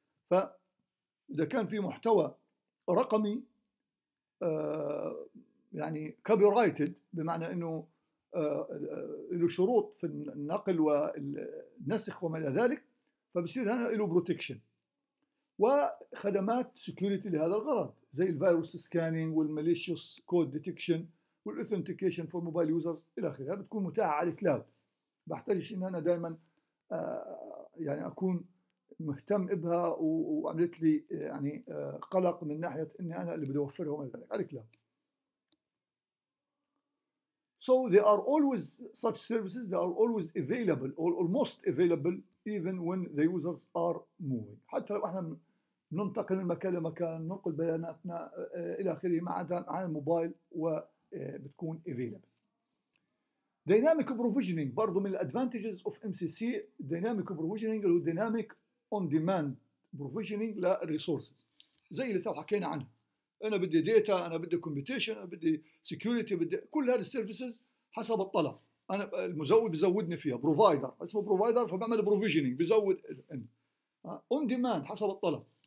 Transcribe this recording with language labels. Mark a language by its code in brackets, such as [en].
[ar] فاذا كان في محتوى رقمي يعني كوبيرايتد، بمعنى انه له شروط في النقل والنسخ وما الى ذلك، فبصير هنا له بروتكشن وخدمات سكيورتي لهذا الغرض، زي الفيروس سكانينج والماليشيوس كود ديتكشن والاوثنتيكيشن فور موبايل يوزرز الى اخره، بتكون متاحه على الكلاود. بحتاجش ان انا دائما يعني اكون مهتم بها وعملت لي يعني قلق من ناحيه اني انا اللي بدي اوفرها وما الى ذلك على الكلاود. [en] So there are always such services, they are always available or almost available even when the users are moving. [ar] حتى لو احنا ننتقل من مكان لمكان، ننقل بياناتنا الى اخره، ما عدا على الموبايل وبتكون available. [en] Dynamic provisioning [ar] برضو من [en] الadvantages of MCC. Dynamic provisioning هو dynamic on demand provisioning للresources، [ar] زي اللي تو حكينا عنها. انا بدي داتا، انا بدي كومبيتيشن، انا بدي سيكيورتي، بدي كل هذه السيرفيسز حسب الطلب. انا المزود بزودني فيها، بروفايدر اسمه بروفايدر، فبعمل بروفيجنينج بزود اون ديماند حسب الطلب.